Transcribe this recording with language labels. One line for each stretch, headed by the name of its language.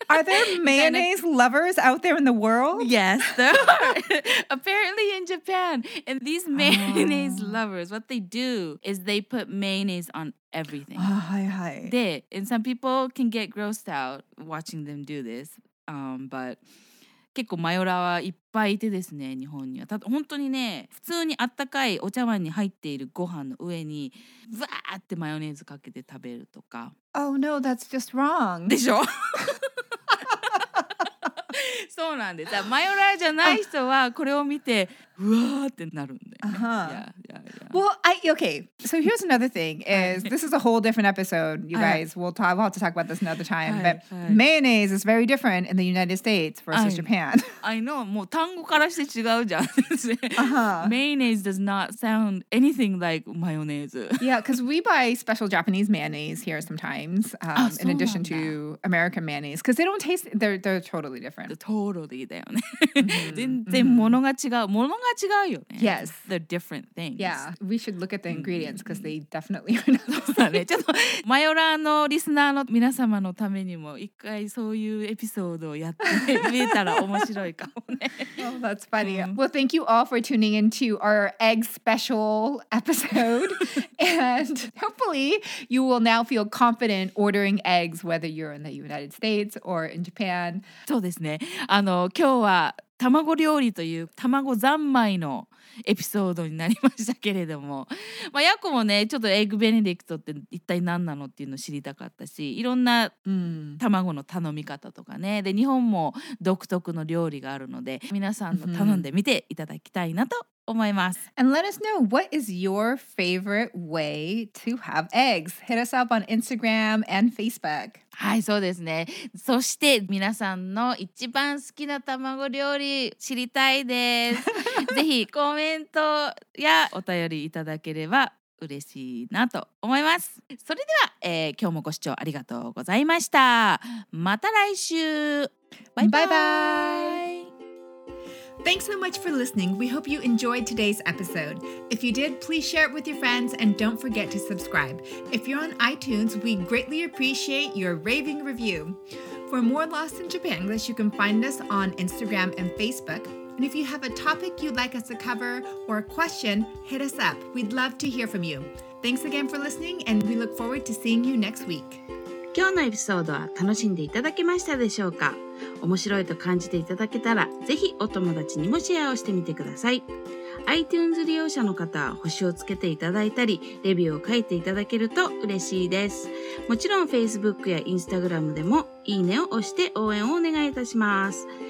English: Are there mayonnaise lovers out there in the world? Yes, there are. Apparently in Japan. And these mayonnaise lovers, what they do is they put mayonnaise on everything. Oh, hi, hi. And some people can get grossed out watching them do this.
Japanese: But 結構マヨラーはいっぱいいてですね、日本には。ただ本当にね、普通にあったかいお茶碗に入っているご飯の上にブワーってマヨネーズかけて食べるとか。
English: Oh no, that's just wrong.
Japanese: でしょ？そうなんです。マヨラーじゃない人はこれを見てうわーってなるんだよ。
English: Well, okay. So here's another thing is this is a whole different episode, you guys. We'll have to talk about this another time. But mayonnaise is very different in the United States versus Japan. I know.
Japanese: もう単語からして違うじゃん。
English: Mayonnaise does not sound anything like mayonnaise. Yeah, because we buy special Japanese mayonnaise here sometimes in addition to American mayonnaise. Because they don't taste, they're totally different.
Japanese: Totally だよね。全然物が違う。物が違うよね。
English: Yes. They're different things. Yeah. We should look at the ingredients because they definitely are not the same.
Japanese: ちょっとマヨラーのリスナーの皆様のためにも一回そういうエピソードをやってみたら面白いかもね。
English: Well, that's funny. Well, thank you all for tuning in to our egg special episode. And hopefully you will now feel confident ordering eggs whether you're in the United States or in Japan.
Japanese: そうですね。今日は卵料理という卵三昧のエピソードになりましたけれども、まあ、ヤコもねちょっとエッグベネディクトって一体何なのっていうのを知りたかったし、いろんな卵の頼み方とかね、で日本も独特の料理があるので皆さんの頼んでみていただきたいなと思います、
English: And let us know what is your favorite way to have eggs. Hit us up on Instagram and Facebook.
Japanese: はい、そうですね。そして皆さんの一番好きな卵料理知りたいです。ぜひコメントやお便りいただければ嬉しいなと思います。それでは、今日もご視聴ありがとうございました。また来週。バイバイ。バイバイ。
English: Thanks so much for listening. We hope you enjoyed today's episode. If you did, please share it with your friends and don't forget to subscribe. If you're on iTunes, we greatly appreciate your raving review. For more Lost in Japanglish, you can find us on Instagram and Facebook. And if you have a topic you'd like us to cover or a question, hit us up. We'd love to hear from you. Thanks again for listening and we look forward to seeing you next week.
Japanese: 今日のエピソードは楽しんでいただけましたでしょうか?面白いと感じていただけたら、ぜひお友達にもシェアをしてみてください。 iTunes 利用者の方は星をつけていただいたり、レビューを書いていただけると嬉しいです。もちろん Facebook や Instagram でもいいねを押して応援をお願いいたします。